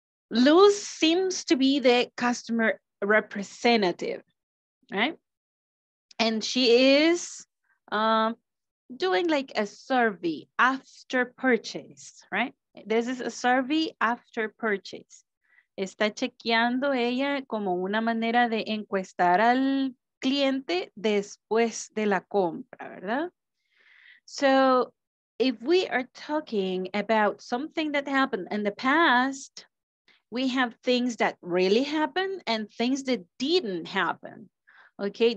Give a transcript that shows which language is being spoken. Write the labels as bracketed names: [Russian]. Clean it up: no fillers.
[English] Luz seems to be the customer representative, right? And she is doing like a survey after purchase, right? This is a survey after purchase. [Spanish] Está chequeando ella como una manera de encuestar al cliente después de la compra, ¿verdad? [English] So, if we are talking about something that happened in the past, we have things that really happened and things that didn't happen, okay?